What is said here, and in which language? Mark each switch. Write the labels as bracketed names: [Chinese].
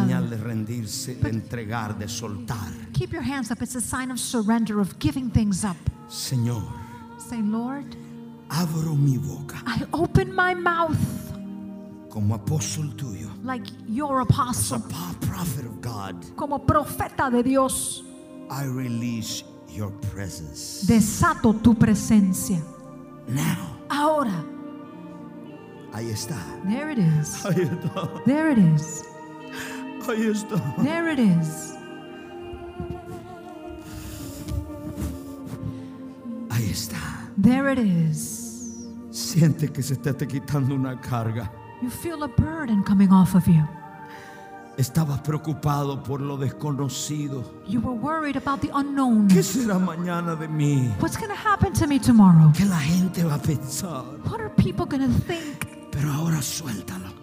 [Spanish] Es señal de rendirse, de entregar, de soltar. [English] Keep your hands up. It's a sign of surrender, of giving things up. [Spanish] Señor. [English] Say, Lord. [Spanish] Abro mi boca. [English] I open my mouth. [Spanish] Como apóstol tuyo. [English] Like your apostle. As a prophet of God. [Spanish] Como profeta de Dios. [English] I release your presence. [Spanish] Desato tu presencia. [English] Now. [Spanish] Ahora. Ahí está. [English] There it is. [Spanish] Ahí está. [English] There it is. [Spanish] Ahí está. [English] There it is. [Spanish] Ahí está. [English] There it is. [Spanish] Siente que se te está quitando una carga. [English] You feel a burden coming off of you. [Spanish] Estabas preocupado por lo desconocido. [English] You were worried about the unknown. [Spanish] ¿Qué será mañana de mí? [English] What's going to happen to me tomorrow? [Spanish] ¿Qué la gente va a pensar? [English] What are people going to think? [Spanish] Pero ahora suéltalo.